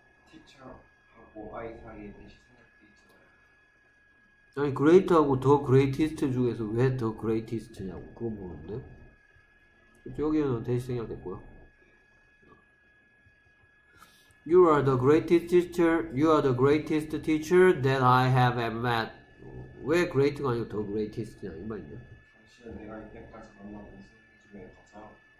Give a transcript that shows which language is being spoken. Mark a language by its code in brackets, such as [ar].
[ko] 티처하고 아이 사이에 대시 아니, 그레이트하고 더 그레이티스트 중에서 왜더 그레이티스트냐고 그거 모르는데? 여기는 대시 생략됐고요. [en] You are the greatest teacher. You are the greatest teacher that I have ever met. [ko] 왜 great가 아니고 더 greatest냐 이 말이냐? 당신은 내가 이때까지 만나본 선생님 중에 가장